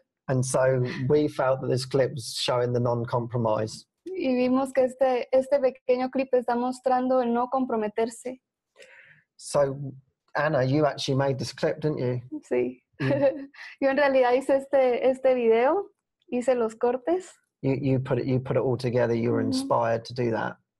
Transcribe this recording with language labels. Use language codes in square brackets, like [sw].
[en] And so we felt that this clip was showing the non-compromise. [es] Y vimos que este pequeño clip está mostrando el no comprometerse. [en] So, Anna, you actually made this clip, didn't you? [es] Sí. Yo en realidad hice este video, hice los cortes. [en] You put it all together, you were inspired to do that.